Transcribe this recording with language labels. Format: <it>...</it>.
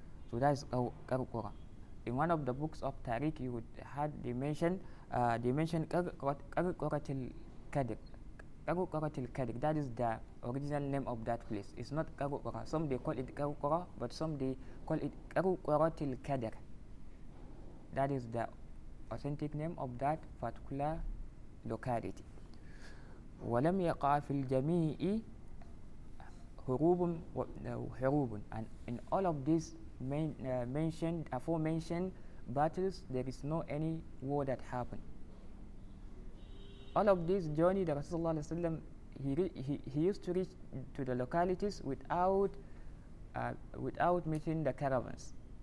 <en>So that is Qarqura. In one of the books of Tariq, you would had they mentioned Qarquratil Kadir. Qarquratil Kadir, that is the original name of that place. It's not Qarqura. Some they call it Qarqura, but some they call it Qarquratil Kadir. That is the authentic name of that particular locality.</en> <ar>ولم يقع في الجميع هروب وحروب.</ar> <en>And in all of these aforementioned battles, there is no any war that happened. All of this journey, the Rasulullah sallallahu alaihi wasallam, he used to reach to the localities without meeting the caravans.</en>